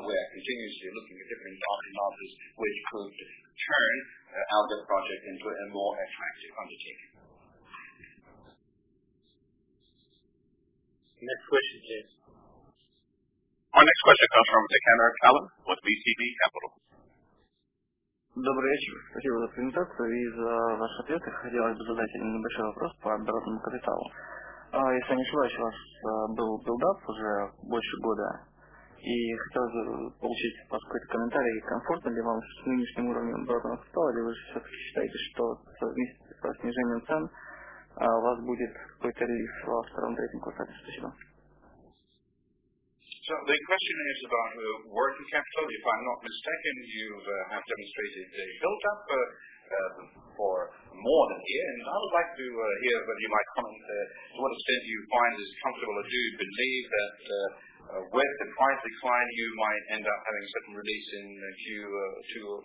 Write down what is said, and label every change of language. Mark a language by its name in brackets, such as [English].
[English] We are continuously looking at different option models which could turn our project into a more attractive undertaking. Next question, please. Our next question comes from Takana Kalin with BCB Capital. [Russian] Добрый вечер. Спасибо за презентацию и за ваш ответ. Хотелось бы задать небольшой вопрос по оборотному капиталу. Если не ошибаюсь, у вас был билдап уже больше года, и хотелось бы получить ваш какой-то комментарий, комфортно ли вам с нынешним уровнем оборотного капитала, или вы все-таки считаете, что вместе со снижением цен у вас будет какой-то релиз во втором-третьем квартале? Спасибо. [English] So the question is about working capital. If I'm not mistaken, you have demonstrated a build-up for more than a year, and I would like to hear whether you might comment to what extent you find this comfortable, or do you believe that with the price decline you might end up having a certain release in Q2 or Q3.